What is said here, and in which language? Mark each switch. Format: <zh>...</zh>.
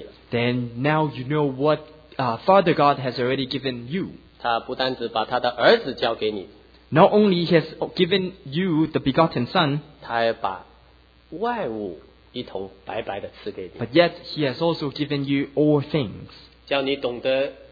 <en>then now you know what Father God has already given you.</en> <zh>他不单只把他的儿子交给你,</zh> <en>not only has given you the begotten Son,</en> <zh>他还把外物一同白白的赐给你,</zh> <en>but yet he has also given you all things.</en>